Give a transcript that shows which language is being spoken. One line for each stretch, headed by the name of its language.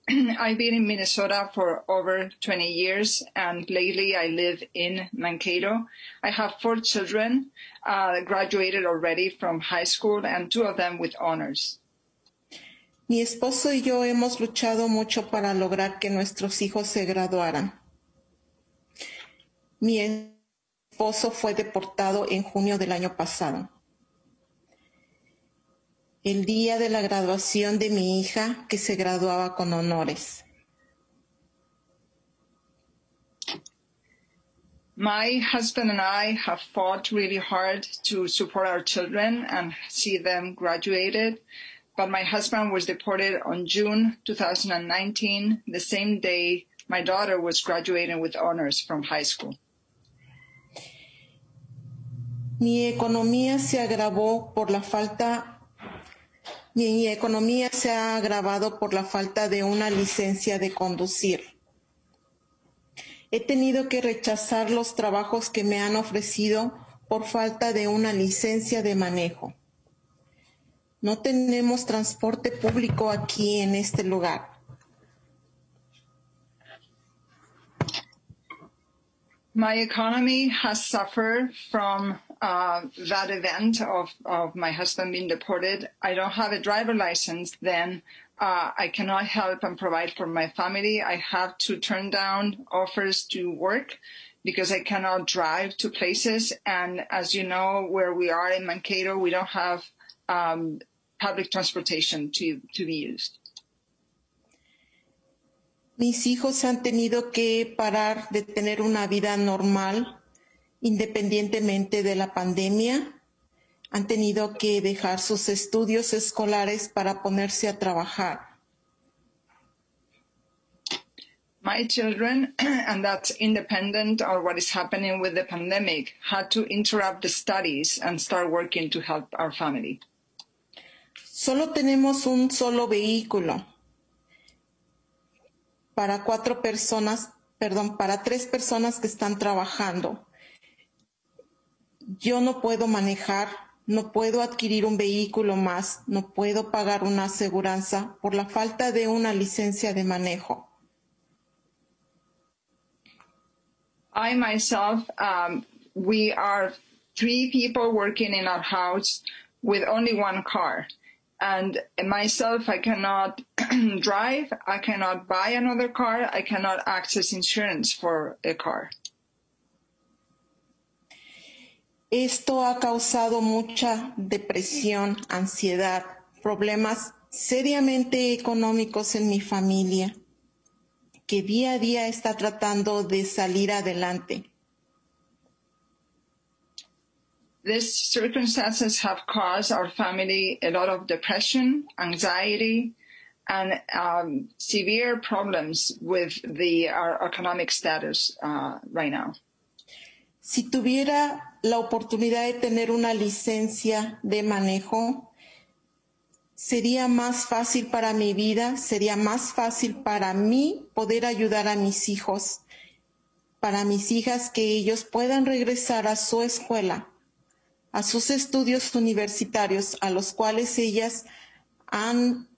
English: I've been in Minnesota for over 20 years, and lately I live in Mankato. I have 4 children, graduated already from high school, and 2 of them with honors.
Spanish: Mi esposo y yo hemos luchado mucho para lograr que nuestros hijos se graduaran. Mi esposo fue deportado en junio del año pasado. El día de la graduación de mi hija, que se graduaba con honores.
English: My husband and I have fought really hard to support our children and see them graduated. But my husband was deported on June 2019, the same day my daughter was graduating with honors from high school.
Spanish: Mi economía se ha agravado por la falta de una licencia de conducir. He tenido que rechazar los trabajos que me han ofrecido por falta de una licencia de manejo. No tenemos transporte público aquí en este lugar.
English: My economy has suffered from that event of my husband being deported. I don't have a driver license then. I cannot help and provide for my family. I have to turn down offers to work because I cannot drive to places. And as you know, where we are in Mankato, we don't have public transportation to be used.
Spanish: Mis hijos han tenido que parar de tener una vida normal independientemente de la pandemia. Han tenido que dejar sus estudios escolares para ponerse a trabajar.
English: My children, and that's independent of what is happening with the pandemic, had to interrupt the studies and start working to help our family.
Spanish: Solo tenemos un solo vehículo para 4 personas, perdón, para 3 personas que están trabajando. Yo no puedo manejar, no puedo adquirir un vehículo más, no puedo pagar una aseguranza por la falta de una licencia de manejo.
English: I myself, we are 3 people working in our house with only 1 car. And myself, I cannot drive, I cannot buy another car, I cannot access insurance for a car.
Spanish: Esto ha causado mucha depresión, ansiedad, problemas seriamente económicos en mi familia, que día a día está tratando de salir adelante.
English: These circumstances have caused our family a lot of depression, anxiety, and severe problems with our economic status right now.
Spanish: Si tuviera la oportunidad de tener una licencia de manejo, sería más fácil para mi vida, sería más fácil para mí poder ayudar a mis hijos, para mis hijas, que ellos puedan regresar a su escuela, a sus estudios universitarios, a los cuales ellas han